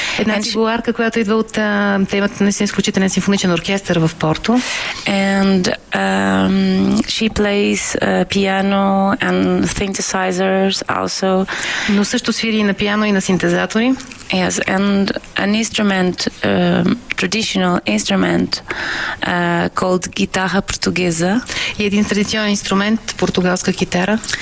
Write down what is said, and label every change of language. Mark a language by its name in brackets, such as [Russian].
[Bulgarian] Една цигуларка, която идва от темата на изключителен симфоничен оркестър в Порто. [English] And she plays piano and synthesizers also. [Bulgarian] Но също свири на пиано и на синтезатори. [English] Yes, and an instrument, traditional instrument called guitarra portuguesa. [Bulgarian] И един традиционен инструмент, португалска китара.